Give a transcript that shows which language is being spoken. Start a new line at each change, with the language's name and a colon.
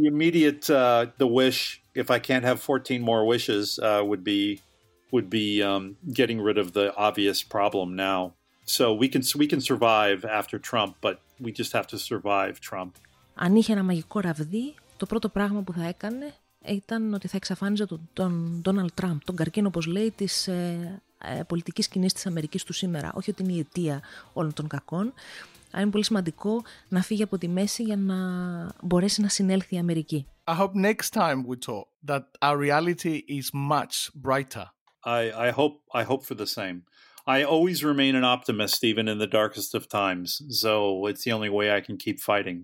English: the wish, if I can't have 14 more wishes, would be getting rid of the obvious problem now. So we can survive after Trump, but we just have to survive Trump.
Greek: Αν είχε ένα μαγικό ραβδί, το πρώτο πράγμα που θα έκανε ήταν ότι θα εξαφάνιζε τον Donald Trump, τον καρκίνο, όπως λέει, της πολιτικής σκηνής της Αμερικής του σήμερα. Όχι ότι είναι η αιτία όλων των κακών, αλλά είναι πολύ σημαντικό να φύγει από τη μέση για να μπορέσει να συνέλθει η Αμερική.
English: I hope next time we talk that our reality is much brighter. I hope for the same. I always remain an optimist, even in the darkest of times. So it's the only way I can keep fighting.